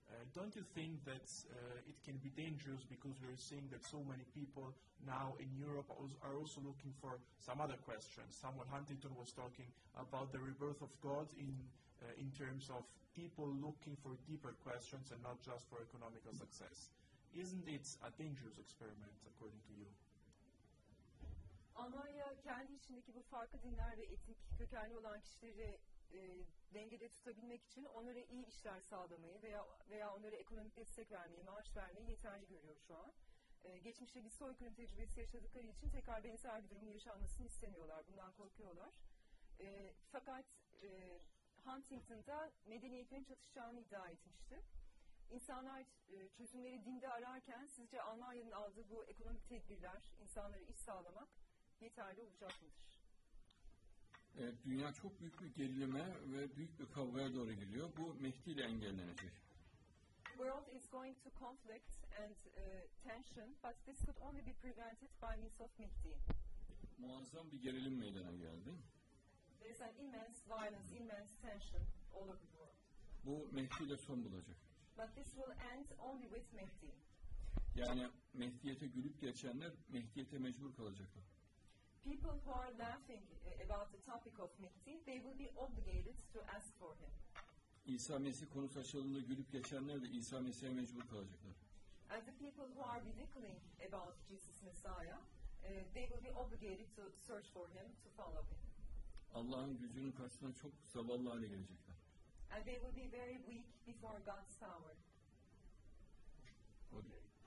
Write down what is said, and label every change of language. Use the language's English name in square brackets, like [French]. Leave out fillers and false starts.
[English] Don't you think that it can be dangerous because we are seeing that so many people now in Europe are also looking for some other questions? Samuel Huntington was talking about the rebirth of God in terms of people looking for deeper questions and not just for economical success. Isn't it a dangerous experiment, according to you? [Turkish] Almanya kendi içindeki bu farklı dinler ve etnik kökenli olan kişileri dengede tutabilmek için onlara iyi işler sağlamayı veya onlara ekonomik destek vermeyi, maaş vermeyi yeterli görüyor şu an. Geçmişte bir soykırım tecrübesi yaşadıkları için tekrar benzer bir durumun yaşanmasını istemiyorlar, bundan korkuyorlar. Fakat Huntington'da medeniyetlerin çatışacağını iddia etmişti. İnsanlar çözümleri dinde ararken sizce Almanya'nın aldığı bu ekonomik tedbirler, insanlara iş sağlamak yeterli olacak mıdır? Dünya çok büyük bir gerilime ve büyük bir kavgaya doğru gidiyor. Bu Mehdi ile engellenecek. [English] The world is going to conflict and tension, but this could only be prevented by means of Mehdi. [Turkish] Muazzam bir gerilim meydana geldi. [English] There's an immense violence, immense tension all over the world. [Turkish] Bu Mehdi ile son bulacak. [English] But this will end only with Mehdi. [Turkish] Yani Mehdiyete gülüp geçenler Mehdiyete mecbur kalacaklar. [English] People who are laughing about the topic of Mehdi, they will be obligated to ask for him. [Turkish] İsa Mesih konusu açıldığında gülüp geçenler de İsa Mesih'e mecbur kalacaklar. [English] And the people who are belittling about Jesus Messiah, they will be obligated to search for him, to follow him. [Turkish] Allah'ın gücünün karşısına çok zavallı hale gelecekler. [English] And they will be very weak before God's power. Okay.